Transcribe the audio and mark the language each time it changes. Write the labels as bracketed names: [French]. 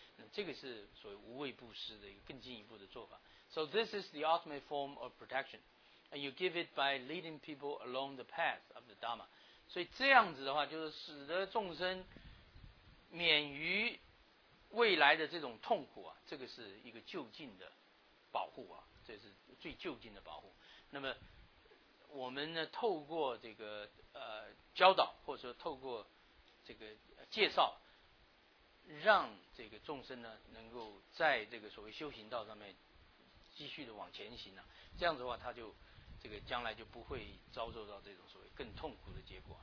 [Chinese] 那这个是所谓无畏布施的一个更进一步的做法。 [English] So this is the ultimate form of protection, and you give it by leading people along the path of the Dharma. [Chinese] 所以这样子的话，就是使得众生免于未来的这种痛苦啊，这个是一个就近的保护啊，这是最就近的保护。那么我们呢，透过这个教导，或者说透过这个介绍，让这个众生呢，能够在这个所谓修行道上面继续的往前行呢、啊，这样子的话，他就这个将来就不会遭受到这种所谓更痛苦的结果。